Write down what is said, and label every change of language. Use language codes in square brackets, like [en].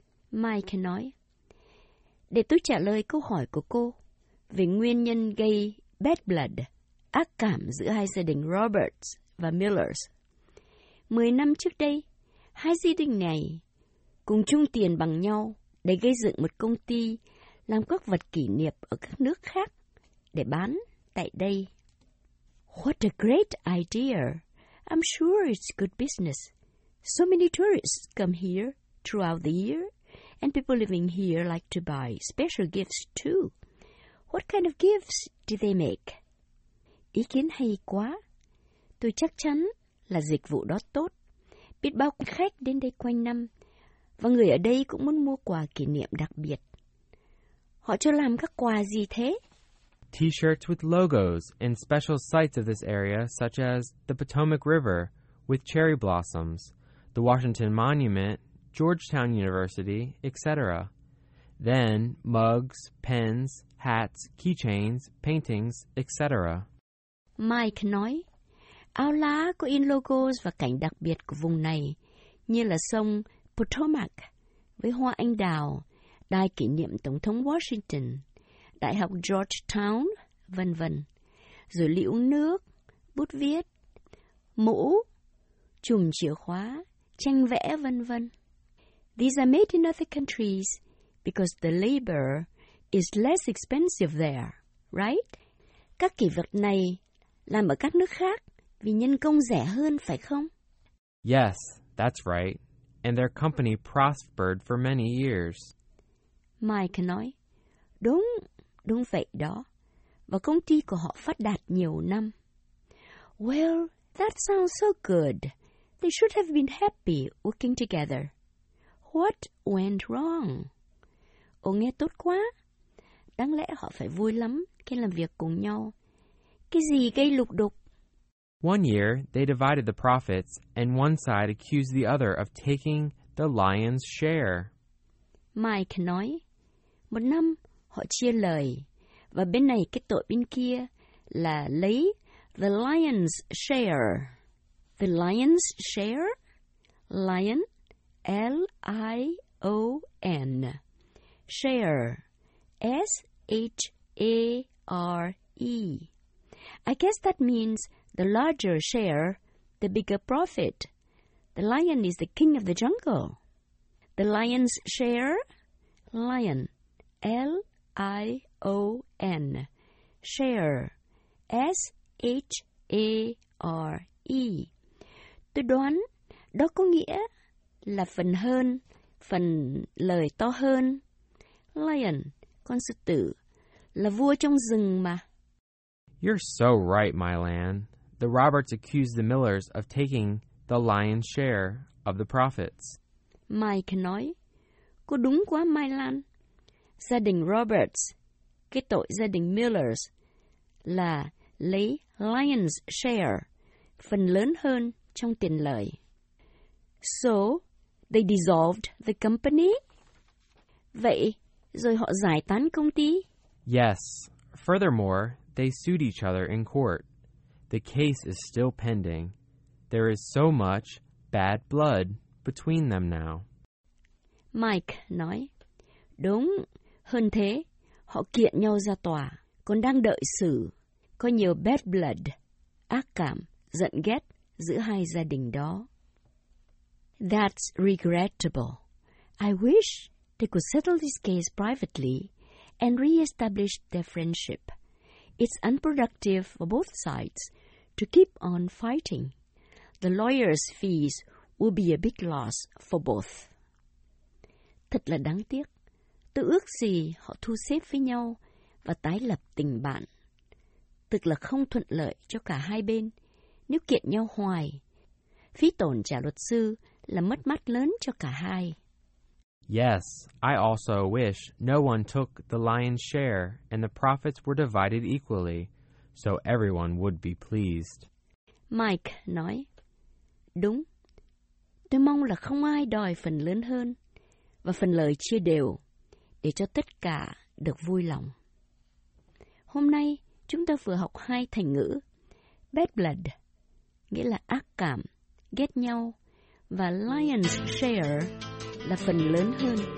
[vi] Mike nói, để tôi trả lời câu hỏi của cô về nguyên nhân gây bad blood, ác cảm giữa hai gia đình Roberts và Millers. 10 năm trước đây, hai gia đình này cùng chung tiền bằng nhau để gây dựng một công ty làm các vật kỷ niệm ở các nước khác để bán tại đây. [en] What a great idea! I'm sure it's good business. So many tourists come here throughout the year, and people living here like to buy special gifts too. What kind of gifts do they make? [vi] Ý kiến hay quá! Tôi chắc chắn là dịch vụ đó tốt. Biết bao khách đến đây quanh năm, và người ở đây cũng muốn mua quà kỷ niệm đặc biệt. Họ cho làm các quà gì thế? [en] T-shirts with logos and special sites of this area, such as the Potomac River with cherry blossoms, the Washington Monument, Georgetown University, etc. Then, mugs, pens, hats, keychains, paintings, etc. [vi] Mike nói, áo lá có in logos và cảnh đặc biệt của vùng này, như là sông Potomac với hoa anh đào, đài kỷ niệm Tổng thống Washington, Đại học Georgetown, vân vân. Rồi lũ nước, bút viết, mũ, chùm chìa khóa, tranh vẽ, vân vân. [en] These are made in other countries because the labor is less expensive there, right? [vi] Các kỷ vật này làm ở các nước khác vì nhân công rẻ hơn, phải không? [en] Yes, that's right. And their company prospered for many years. [vi] Mike nói, đúng. Đúng vậy đó. Và công ty của họ phát đạt nhiều năm. [en] Well, that sounds so good. They should have been happy working together. What went wrong? [vi] Ồ, nghe tốt quá. Đáng lẽ họ phải vui lắm khi làm việc cùng nhau. Cái gì gây lục đục? [en] One year, they divided the profits and one side accused the other of taking the lion's share. [vi] Mike nói, một năm, họ chia lời, và bên này cái tội bên kia là lấy the lion's share. [en] The lion's share? Lion, L-I-O-N. Share, S-H-A-R-E. I guess that means the larger share, the bigger profit. The lion is the king of the jungle. The lion's share? Lion, L-I-O-N. I-O-N, share, S-H-A-R-E. [vi] Tôi đoán đó có nghĩa là phần hơn, phần lời to hơn. Lion, con sư tử, là vua trong rừng mà. [en] You're so right, Mylan. The Roberts accused the Millers of taking the lion's share of the profits. [vi] Mike nói, cô đúng quá, Mylan. Gia đình Roberts, cái tội gia đình Millers, là lấy lion's share, phần lớn hơn trong tiền lời. [en] So, they dissolved the company? [vi] Vậy, rồi họ giải tán công ty? [en] Yes. Furthermore, they sued each other in court. The case is still pending. There is so much bad blood between them now. [vi] Mike nói, đúng. Hơn thế, họ kiện nhau ra tòa. còn đang đợi xử. Có nhiều bad blood, ác cảm, giận ghét giữa hai gia đình đó. [en] That's regrettable. I wish they could settle this case privately and re-establish their friendship. It's unproductive for both sides to keep on fighting. The lawyer's fees will be a big loss for both. [vi] Thật là đáng tiếc. Tôi ước gì họ thu xếp với nhau và tái lập tình bạn. Tức là không thuận lợi cho cả hai bên nếu kiện nhau hoài. Phí tổn trả luật sư là mất mát lớn cho cả hai. [en] Yes, I also wish no one took the lion's share and the profits were divided equally, so everyone would be pleased. [vi] Mike nói, đúng, tôi mong là không ai đòi phần lớn hơn và phần lợi chia đều để cho tất cả được vui lòng. Hôm nay, chúng ta vừa học hai thành ngữ, bad blood, nghĩa là ác cảm, ghét nhau, và lion's share là phần lớn hơn.